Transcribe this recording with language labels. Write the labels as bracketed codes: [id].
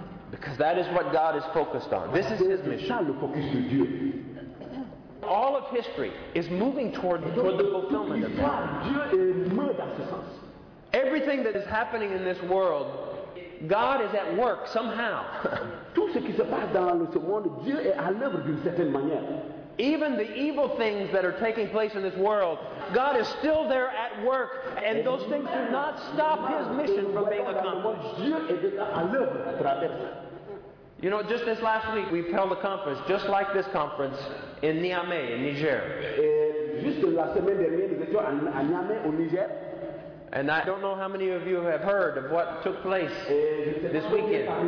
[en] Because that is what God is focused on. This is his mission. All of history is moving toward the fulfillment of that. Everything that is happening in this world, God is at work somehow. [fr] Tout ce qui se passe dans ce monde, Dieu est à l'œuvre d'une certaine manière. [en] Even the evil things that are taking place in this world, God is still there at work, and those things do not stop His mission from being accomplished. [fr] Dieu est déjà à l'œuvre à travers ça. [en] You know, just this last week, we've held a conference, just like this conference, in Niamey, in Niger. [fr] Juste la semaine dernière, nous étions à Niamey, au Niger. [en] And I don't know how many of you have heard of what took place this weekend.